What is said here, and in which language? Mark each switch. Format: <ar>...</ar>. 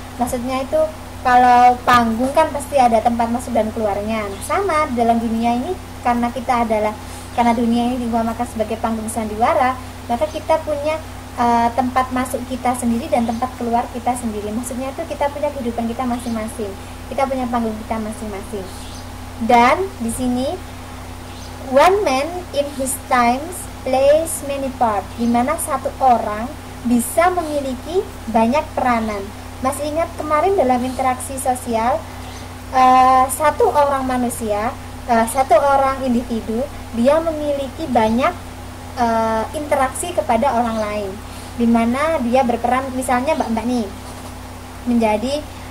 <id>Maksudnya itu, kalau panggung kan pasti ada tempat masuk dan keluarnya. Sama, di dalam dunia ini, karena kita adalah, karena dunia ini diumpamakan sebagai panggung sandiwara, maka kita punya tempat masuk kita sendiri dan tempat keluar kita sendiri. Maksudnya itu kita punya kehidupan kita masing-masing. Kita punya panggung kita masing-masing. Dan di sini</id> <en>one man in his times plays many parts.</en> <id>Di mana satu orang bisa memiliki banyak peranan. Masih ingat kemarin dalam interaksi sosial satu orang manusia, satu orang individu, dia memiliki banyak interaksi kepada orang lain, di mana dia berperan, misalnya mbak-mbak nih menjadi</id>